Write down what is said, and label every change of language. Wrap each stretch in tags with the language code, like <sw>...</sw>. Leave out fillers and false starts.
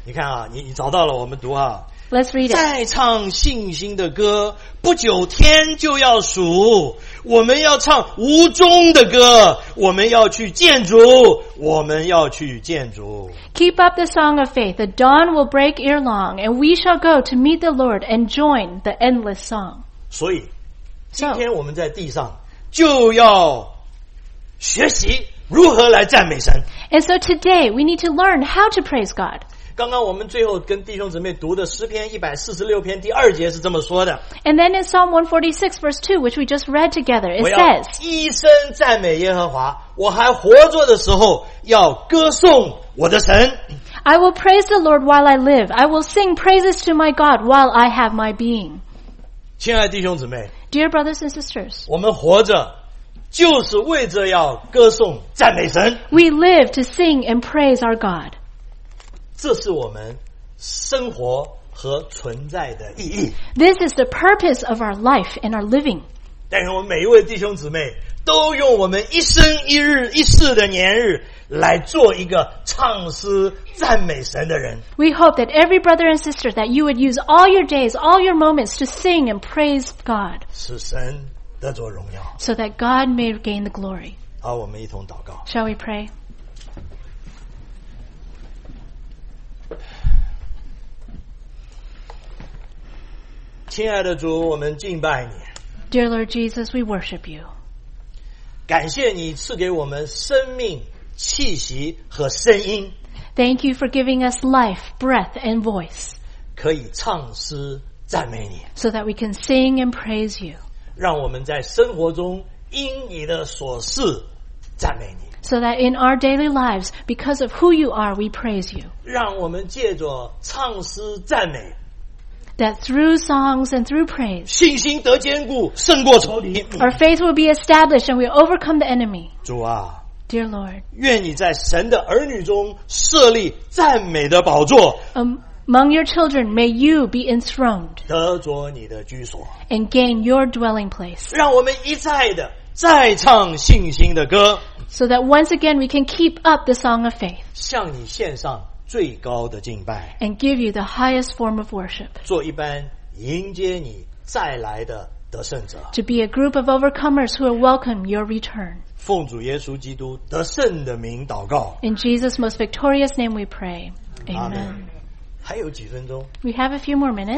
<zh>你看啊，你找到了，我们读啊。</zh> <en>Let's read it.</en> <zh>再唱信心的歌，不久天就要曙。我们要唱无终的歌，我们要去见主，我们要去见主。</zh> <en>Keep up the song of faith. The dawn will break ere long, and we shall go to meet the Lord and join the endless song.</en> <zh>所以，今天我们在地上就要学习如何来赞美神。</zh> <en>And so today we need to learn how to praise God.</en> <zh>刚刚我们最后跟弟兄姊妹读的诗篇146篇第二节是这么说的。</zh> <en>And then in Psalm 146 verse 2, which we just read together, it says,</en> <zh>我要一生赞美耶和华，我还活着的时候要歌颂我的神。</zh> <en>I will praise the Lord while I live. I will sing praises to my God while I have my being.</en> <zh>亲爱的弟兄姊妹，</zh> <en>Dear brothers and sisters,</en> <zh>我们活着就是为着要歌颂赞美神。</zh> <en>We live to sing and praise our God.</en> <zh>这是我们生活和存在的意义。</zh> <en>This is the purpose of our life and our living.</en> <zh>但愿我们每一位弟兄姊妹都用我们一生一日一世的年日来做一个唱诗赞美神的人。</zh> <en>We hope that every brother and sister that you would use all your days, all your moments to sing and praise God.</en> <zh>是神得着荣耀。</zh> <en>So that God may gain the glory.</en> <zh>好，我们一同祷告。</zh> <en>Shall we pray?</en> <zh>亲爱的主，我们敬拜你。</zh> <en>Dear Lord Jesus, we worship you.</en> <zh>感谢你赐给我们生命、气息和声音。</zh> <en>Thank you for giving us life, breath, and voice.</en> <zh>可以唱诗赞美你。</zh> <en>So that we can sing and praise you.</en> <zh>让我们在生活中因你的所事赞美你。</zh> <en>So that in our daily lives, because of who you are, we praise you.</en> <zh>让我们借着唱诗赞美。</zh> <en>That through songs and through praise,</en> <zh>信心得坚固，胜过仇敌。</zh> <en>Our faith will be established and we overcome the enemy.</en> <zh>主啊，</zh> <en>Dear Lord,</en> <zh>愿你在神的儿女中设立赞美的宝座。</zh> <en>Among your children, may you be enthroned.</en> <zh>得着你的居所。</zh> <en>And gain your dwelling place.</en> <zh>让我们一再的再唱信心的歌。</zh> <en>So that once again we can keep up the song of faith.</en> <zh>向你献上最高的敬拜。</zh> <en>And give you the highest form of worship.</en> <zh>做一班迎接你再来的得胜者。</zh> <en>To be a group of overcomers who will welcome your return.</en> <zh>奉主耶稣基督得胜的名祷告。</zh> <en>In Jesus' most victorious name we pray. Amen.</en> <zh>Amen.还有几分钟。</zh> <en>We have a few more minutes.</en>